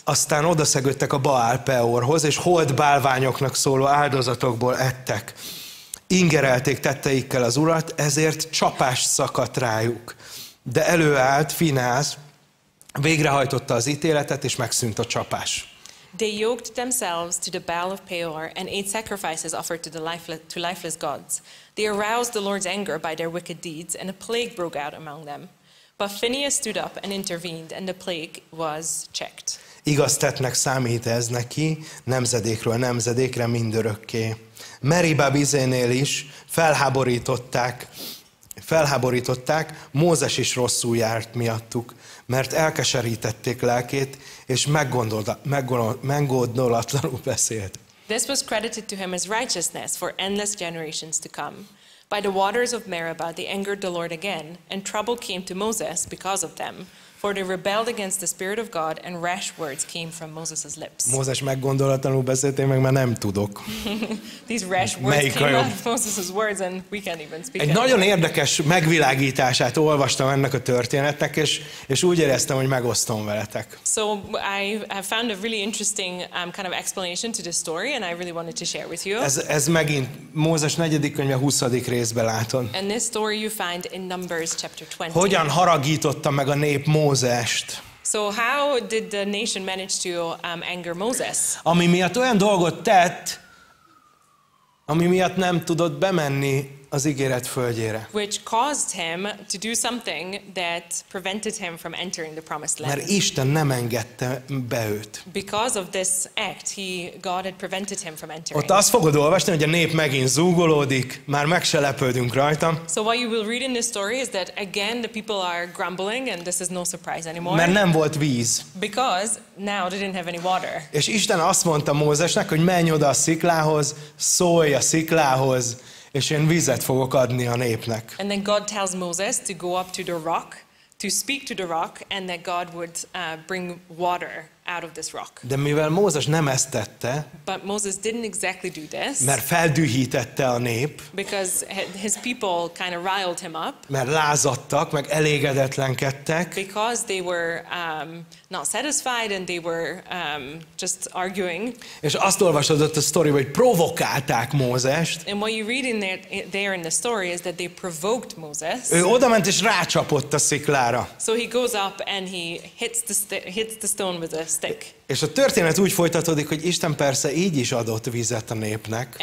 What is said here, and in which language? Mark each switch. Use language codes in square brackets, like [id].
[hu] Aztán odaszegődtek a Baál Peorhoz, és hold bálványoknak szóló áldozatokból ettek. Ingerelték tetteikkel az urat, ezért csapást szakadt rájuk. De előállt Finász, végrehajtotta az ítéletet, és megszűnt a csapás. [en] They yoked themselves to the Baal of Peor and ate sacrifices offered to lifeless gods. They aroused the Lord's anger by their wicked deeds, and a plague broke out among them. But Phinehas stood up and intervened, and the plague was checked. [hu] Igaz tettnek számít ez neki, nemzedékről nemzedékre mindörökké. Meribab izénél is felháborították, Mózes is rosszul járt miattuk, mert elkeserítették lelkét, és meggondolatlanul beszélt. [en] This was credited to him as righteousness for endless generations to come. By the waters of Meribah they angered the Lord again, and trouble came to Moses because of them, for they rebelled against the Spirit of God, and rash words came from Moses' lips. [hu] Mózes meggondolatlanul beszélt, én meg már nem tudok. [en] These rash words melyik came out of Moses' words, and we can't even speak. [hu] Egy nagyon érdekes megvilágítását olvastam ennek a történetnek, és úgy éreztem, hogy megosztom veletek. [en] So I found a really interesting kind of explanation to this story, and I really wanted to share with you. [hu] Ez megint Mózes 4. könyve 20. részben látom. [en] And this story you find in Numbers chapter 20. [hu] Hogyan haragította meg a nép Mózest. [en] So how did the nation manage to anger Moses? [hu] Ami miatt olyan dolgot tett, ami miatt nem tudott bemenni az ígéret földjére. [en] Which caused him to do something that prevented him from entering the promised land. [hu] Mert Isten nem engedte be őt. [en] Because of this act, God had prevented him from entering. [hu] Ott azt fogod olvasni, hogy a nép megint zúgolódik, már meg se lepődünk rajta. [en] So what you will read in this story is that again the people are grumbling and this is no surprise anymore. [hu] Mert nem volt víz. [en] Because now they didn't have any water. [hu] És Isten azt mondta Mózesnek, hogy menj oda a sziklához, szólj a sziklához, és én vizet fogok adni a népnek. [en] And then God tells Moses to go up to the rock, to speak to the rock, and that God would bring water out of this rock. [hu] De mivel Mózes nem ezt tette, [en] but Moses didn't exactly do this, [hu] mert feldühítette a nép, [en] because his people kind of riled him up, [hu] mert lázadtak, meg elégedetlenkedtek, [en] because they were not satisfied and they were just arguing. [hu] És azt olvasod ott a sztori, hogy provokálták Mózest. [en] And what you read in there in the story is that they provoked Moses. [hu] Ő odament és rácsapott a sziklára. [en] So he goes up and he hits the stone with a stick. [hu] És a történet úgy folytatódik, hogy Isten persze így is adott vizet a népnek.